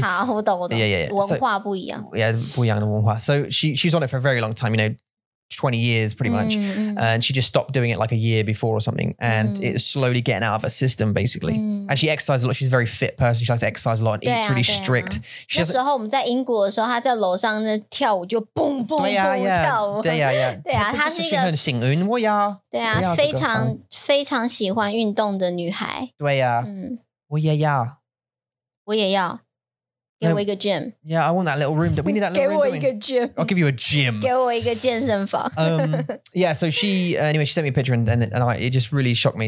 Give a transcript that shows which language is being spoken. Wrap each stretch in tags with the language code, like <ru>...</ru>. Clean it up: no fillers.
<zh>好，我懂，我懂。</zh> <en>Yeah, yeah, yeah.</en> <zh>文化不一样。</zh> <en>So, yeah,</en> <zh>不一样的文化。</zh> <en>So she's on it for a very long time, you know, 20 years pretty much. And she just stopped doing it like a year before or something. And it's slowly getting out of her system, basically. And she exercises a lot. She's a very fit person. She likes to exercise a lot and eats really strict.</en> <zh>那时候我们在英国的时候，她在楼上那跳舞就蹦蹦蹦跳舞。对呀，对呀。对呀，她是一个很幸运，我呀。对呀，非常非常喜欢运动的女孩。对呀，我也呀。我也要给我一个 gym.</zh> <en>Yeah, I want that little room. We need that little room.</en> <zh>给我一个 gym.</zh> <en>I'll give you a gym.</en> <zh>给我一个健身房.</zh> <en>Yeah, so she, anyway, she sent me a picture and it just really shocked me.</en>